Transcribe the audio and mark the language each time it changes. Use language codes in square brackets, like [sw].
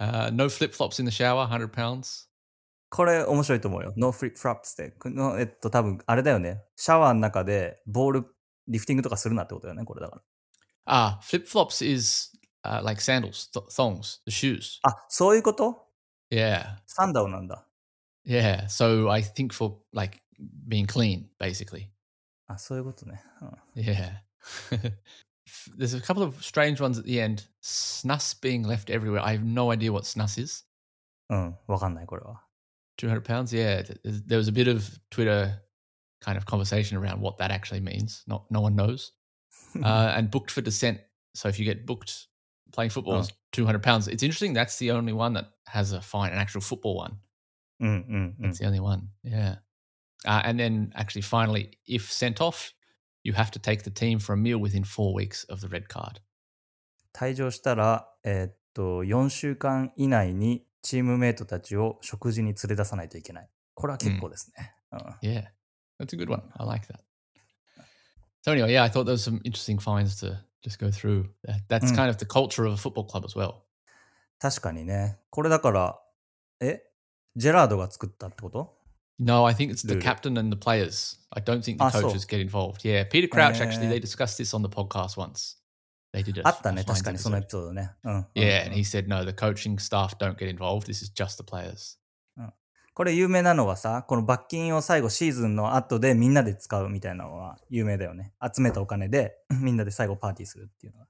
[en] No flip-flops in the shower, £100. [ja] これ面白いと思うよ。 [en] No flip-flops って。 [ja] 多分あれだよね。シャワーの中でボールリフティングとかするなってことだよね、これだから。 [en] Ah, flip-flops is like sandals, thongs, the shoes. [ja] あ、そういうこと? Yeah. サンダルなんだ。 [en] Yeah, so I think for like being clean, basically. [ja] あ、そういうことね。 Yeah. [en] There's a couple of strange ones at the end. Snus being left everywhere. I have no idea what snus is. [ja] わかんない、これは。 [en] £200? Yeah, there was a bit of Twitter kind of conversation around what that actually means. No one knows. And booked for descent. So if you get booked playing football, it's £200. It's interesting. That's the only one that has a fine, an actual football one. That's the only one. Yeah. And then actually finally, if sent off, you have to take the team for a meal within 4 weeks of the red card. [ja] 退場したら、4週間以内にチームメイトたちを食事に連れ出さないといけない。これは結構ですね。 [en] Yeah, that's a good one. I like that. So anyway, yeah, I thought there was some interesting fines to just go through. That's kind of the culture of a football club as well. [ja] 確かにね。これだから、ジェラードが作ったってこと? [en] No, I think it's the captain and the players. I don't think the coaches get involved. Yeah, Peter Crouch, actually, they discussed this on the podcast once. [ja] あったね、確かにそのエピソードね。 [en] Yeah, and he said, no, the coaching staff don't get involved. This is just the players. [ja] これ有名なのはさ、この罰金を最後シーズンの後でみんなで使うみたいなのは有名だよね。集めたお金でみんなで最後パーティーするっていうのは。